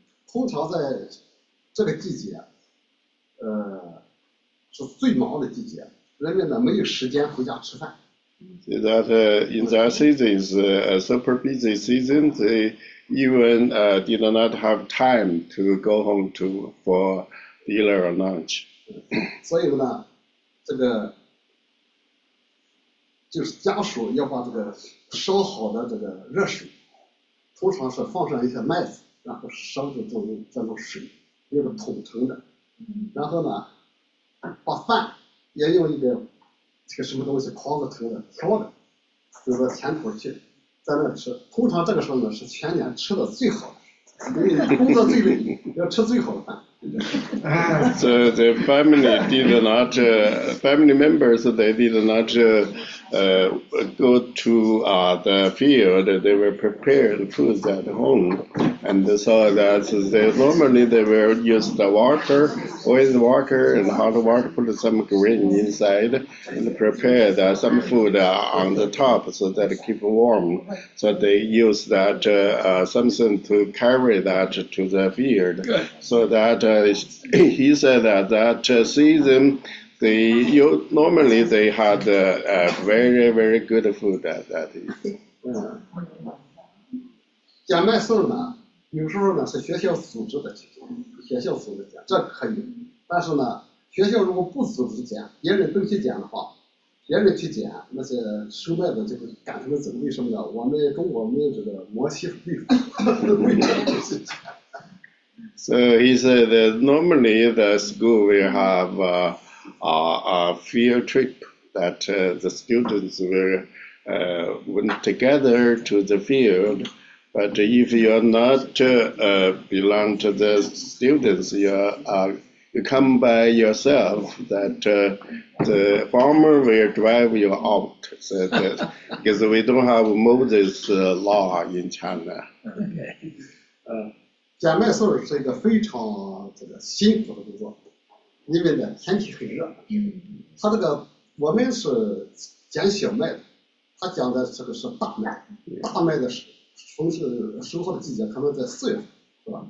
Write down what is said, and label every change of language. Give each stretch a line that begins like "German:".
Chinese: 通常在这个季节，是最忙的季节，人们呢没有时间回家吃饭。
English: So that in that season is a super busy season. They even did not have time to go home to for. Dinner or lunch.
Chinese: 所以呢，这个就是家属要把这个烧好的这个热水，通常是放上一些麦子，然后烧着这种水，用个桶盛的。然后呢，把饭也用一个这个什么东西筐子盛的，挑的，就是田头去，在那吃。通常这个时候呢，是全年吃的最好的，因为工作最累，要吃最好的饭。
English: So the family did not, family members, they did not go to the field. They were preparing foods at home. And so that they, normally they were used the water, oil water and hot water, put some grain inside and prepared some food on the top so that it keep warm. So they used that something to carry that to the field. So that he said that season, normally they had a very, very good food at that season.
Chinese: 捡麦穗呢，有时候呢是学校组织的，学校组织捡，这可以。但是呢，学校如果不组织捡，别人都去捡的话，别人去捡那些收麦的这个赶出来走，为什么呢？我们中国没有这个摩西的律法，为什么不去捡？
English: So he said that normally the school will have a field trip that the students went together to the field. But if you are not belong to the students, you come by yourself, that the farmer will drive you out. So that, because we don't have Moses law in China. Okay.
Chinese: 捡麦穗是一个非常这个辛苦的工作，因为呢天气很热。他这个我们是捡小麦的，他讲的这个是大麦，大麦的收获的季节可能在四月份，是吧？